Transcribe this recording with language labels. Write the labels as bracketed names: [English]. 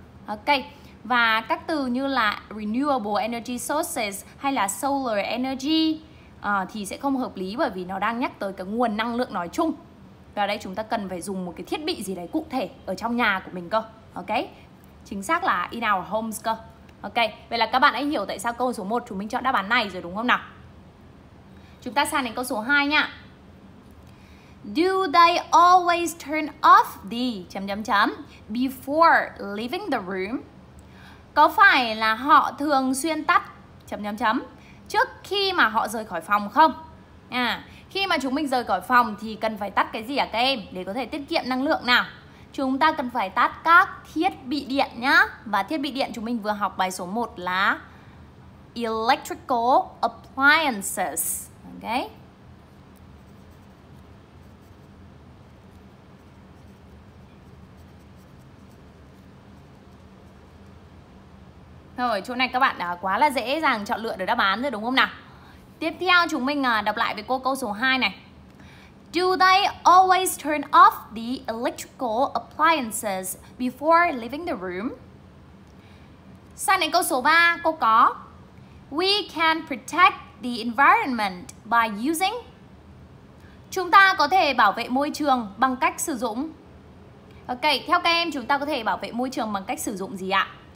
[Vietnamese] Ok, và các từ như là renewable energy sources hay là solar energy thì sẽ không hợp lý, bởi vì nó đang nhắc tới cái nguồn năng lượng nói chung. Và đây chúng ta cần phải dùng một cái thiết bị gì đấy cụ thể ở trong nhà của mình cơ. Ok, chính xác là [English] in our homes [Vietnamese] cơ. Ok, vậy là các bạn hãy hiểu tại sao câu số 1 chúng mình chọn đáp án này rồi, đúng không nào? Chúng ta sang đến câu số 2 nhá. [English] Do they always turn off the before leaving the room? [Vietnamese] Có phải là họ thường xuyên tắt trước khi mà họ rời khỏi phòng không? Khi mà chúng mình rời khỏi phòng thì cần phải tắt cái gì hả các em, để có thể tiết kiệm năng lượng nào? Chúng ta cần phải tắt các thiết bị điện nhá. Và thiết bị điện chúng mình vừa học bài số 1 là electrical appliances. Ok, rồi, chỗ này các bạn đã quá là dễ dàng chọn lựa được đáp án rồi, đúng không nào? Tiếp theo chúng mình đọc lại với cô câu số 2 này. [English] Do they always turn off the electrical appliances before leaving the room? [Vietnamese] Sang đến câu số 3, cô có [English] We can protect the environment by using. [Vietnamese] Chúng ta có thể bảo vệ môi trường bằng cách sử dụng. Ok, theo các em chúng ta có thể bảo vệ môi trường bằng cách sử dụng gì ạ?